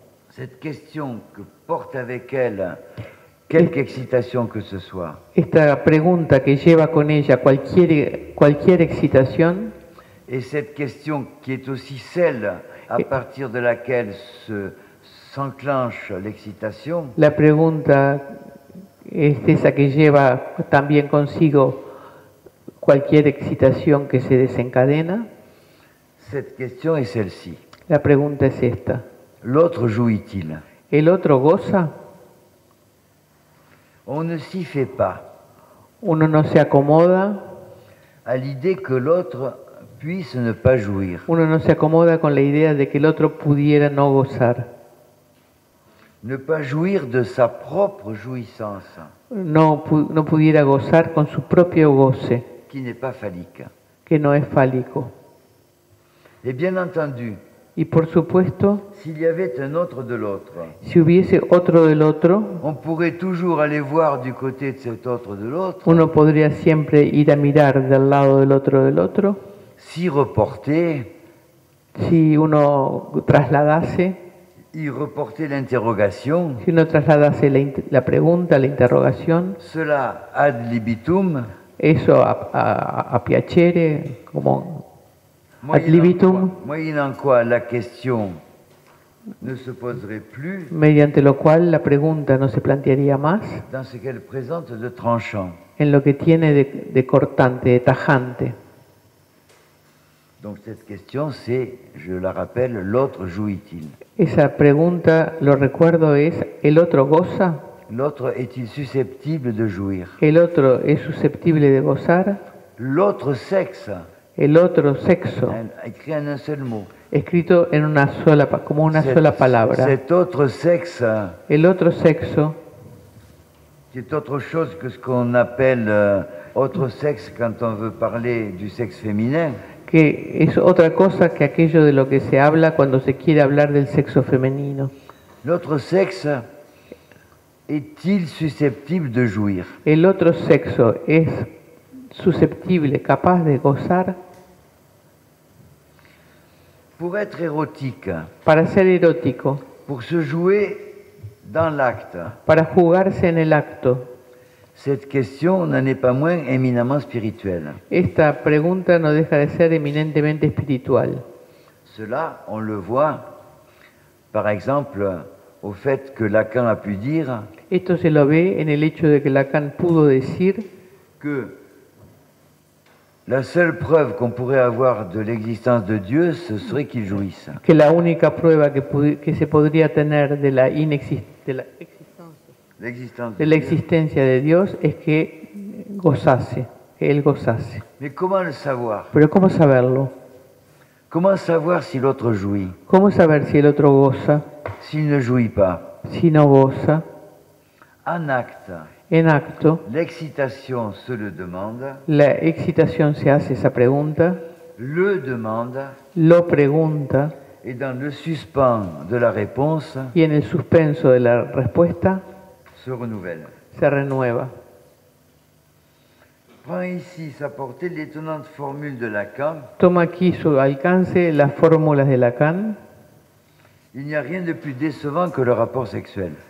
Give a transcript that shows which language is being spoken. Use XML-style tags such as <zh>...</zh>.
<fr>Cette question que porte avec elle. Quelque excitación que ce soit.</fr> <es>Esta pregunta que lleva con ella cualquier excitación.</es> <fr>Et cette question qui est aussi celle à partir de laquelle s'enclenche l'excitation.</fr> <es>La pregunta es esa que lleva también consigo cualquier excitación que se desencadena.</es> <fr>Cette question est celle-ci.</fr> <es>La pregunta es esta.</es> <fr>L'autre jouit-il?</fr> <es>El otro goza.</es> <fr>On ne s'y fait pas.</fr> <es>Uno no se acomoda</es> <fr>à l'idée que l'autre puisse ne pas jouir.</fr> <es>Uno no se acomoda con la idea de que el otro pudiera no gozar.</es> <fr>Ne pas jouir de sa propre jouissance.</fr> <es>No pudiera gozar con su propio goce.</es> <fr>Qui n'est pas phallique.</fr> <es>Que no es fálico.</es> <fr>Et bien entendu.</fr> <es>Y por supuesto,</es> <fr>s'il y avait un autre de l'autre,</fr> <es>si hubiese otro del otro,</es> <fr>on pourrait toujours aller voir du côté de cet autre de l'autre,</fr> <es>uno podría siempre ir a mirar del lado del otro,</es> <fr>s'y reporter,</fr> <es>si uno trasladase,</es> <fr>y reporter l'interrogation,</fr> <es>si uno trasladase la pregunta, la interrogación,</es> <fr>cela ad libitum,</fr> <es>eso a piacere, como ad libitum,</es> <fr>moyennant quoi la question ne se poserait plus,</fr> <es>mediante lo cual la pregunta no se plantearía más,</es> <fr>dans ce qu'elle présente de tranchant,</fr> <es>en lo que tiene de cortante, de tajante.</es> <fr>Donc cette question, c'est, je la rappelle, l'autre jouit-il?</fr> <es>Esa pregunta, lo recuerdo, es, ¿el otro goza?</es> <fr>L'autre est-il susceptible de jouir?</fr> <es>El otro es susceptible de gozar?</es> <fr>L'autre sexe?</fr> <es>El otro sexo?</es> <fr>Écrit en un seul mot.</fr> <es>Escrito en una sola, como una sola palabra.</es> <fr>Cet autre sexe?</fr> <es>El otro sexo?</es> <fr>C'est autre chose que ce qu'on appelle autre sexe quand on veut parler du sexe féminin?</fr> <es>Que es otra cosa que aquello de lo que se habla cuando se quiere hablar del sexo femenino.</es> <fr>L'autre sexe est-il susceptible de jouir?</fr> <es>El otro sexo es susceptible, capaz de gozar?</es> <fr>Pour être érotique.</fr> <es>Para ser erótico.</es> <fr>Pour se jouer dans l'acte.</fr> <es>Para jugarse en el acto.</es> <fr>Cette question n'en est pas moins éminemment spirituelle.</fr> <es>Esta pregunta no deja de ser eminentemente espiritual.</es> <fr>Cela, on le voit, par exemple, au fait que Lacan a pu dire.</fr> <es>Esto se lo ve en el hecho de que Lacan pudo decir</es> <fr>que la seule preuve qu'on pourrait avoir de l'existence de Dieu, ce serait qu'il jouisse.</fr> <es>Que la única prueba que se podría tener de la existencia de Dios es que gozase, que él gozase.</es> <fr>Mais comment le savoir?</fr> <es>Pero ¿cómo saberlo?</es> <fr>Comment savoir si l'autre jouit?</fr> <es>¿Cómo saber si el otro goza?</es> <fr>S'il ne jouit pas.</fr> <es>Si no goza.</es> <fr>En acte.</fr> <es>En acto.</es> <fr>L'excitation se le demande.</fr> <es>La excitación se hace esa pregunta.</es> <fr>Le demande.</fr> <es>Lo pregunta.</es> <fr>Et dans le suspens de la réponse.</fr> <es>Y en el suspenso de la respuesta.</es> <fr>Se renouvelle.</fr> <es>Se renueva.</es> <fr>Prend ici sa portée l'étonnante formule de Lacan.</fr> <es>Toma aquí su alcance las fórmulas de Lacan.</es> <fr>Il n'y a rien de plus décevant que le rapport sexuel.</fr>